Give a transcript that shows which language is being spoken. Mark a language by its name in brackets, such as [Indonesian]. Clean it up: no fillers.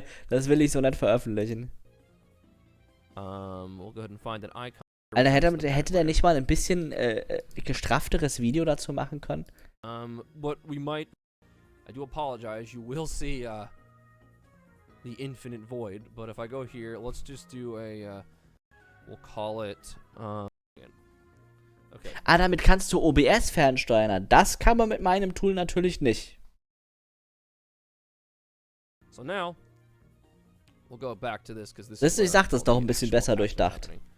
[German] das will ich so nicht veröffentlichen. [English] We'll go ahead and find an icon. [German] Alter, hätte der nicht mal ein bisschen gestrafteres Video dazu machen können? [English] What we might. I do apologize, you will see the infinite void, but if I go here, let's just do a, we'll call it, [German] okay. Ah, damit kannst du OBS fernsteuern, das kann man mit meinem Tool natürlich nicht. [English] So now, we'll go back to this, because this is... [German] Ich sag das doch ein bisschen besser durchdacht.